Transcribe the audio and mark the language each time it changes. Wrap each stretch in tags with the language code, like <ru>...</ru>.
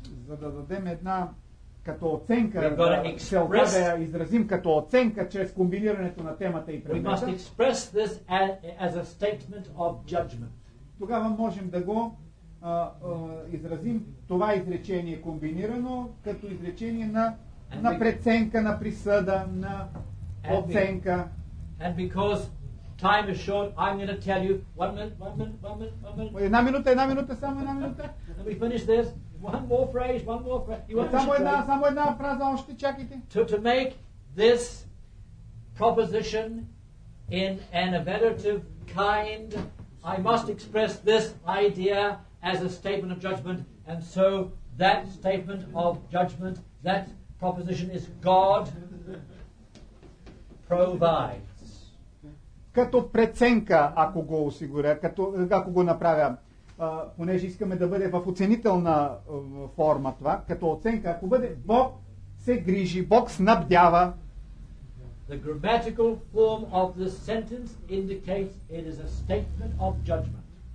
<bg>За да дадем една като оценка, да я изразим като оценка чрез комбинирането на темата и предмета.</bg> <en>We must express this as a statement of judgment.</en> <bg>Тогава можем да го изразим това изречение комбинирано като изречение на, на преценка, на присъда, на оценка.</bg> <en>And because time is short, I'm going to tell you one minute.</en> <bg>Една минута.</bg> <en>Let me finish this. One more phrase.</en> <bg>Само една фраза, още чакайте.</bg> <en>To make this proposition in an evaluative kind, I must express this idea as a statement of judgment, and so that statement of judgment, that proposition is God provides.</en> <bg>Като преценка, ако го осигуря, ако го направя, понеже искаме да бъде в оценителна форма това, като оценка, ако бъде, Бог се грижи, Бог снабдява.</bg> <en>The grammatical form of the sentence indicates it is a statement of judgment.</en>